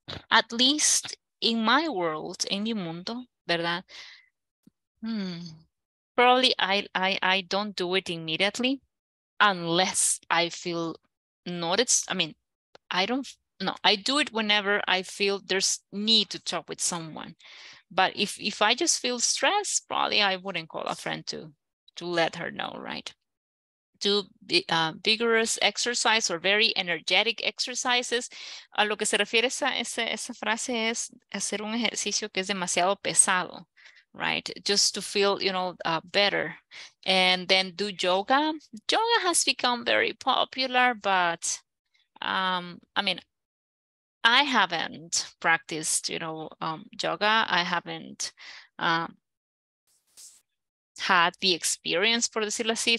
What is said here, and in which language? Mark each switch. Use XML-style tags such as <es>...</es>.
<en>At least in my world,</en> <es>en mi mundo, ¿verdad?</es> <en>Probably I don't do it immediately, unless I feel noticed. I mean, I don't. No, I do it whenever I feel there's need to talk with someone. But if I just feel stressed, probably I wouldn't call a friend to let her know, right? Do vigorous exercise or very energetic exercises.</en> <es>A lo que se refiere esa frase es hacer un ejercicio que es demasiado pesado.</es> <en>right? Just to feel, you know, better. And then do yoga. Yoga has become very popular, but I mean, I haven't practiced, you know, yoga. I haven't had the experience, for</en> <es>decirlo así.</es>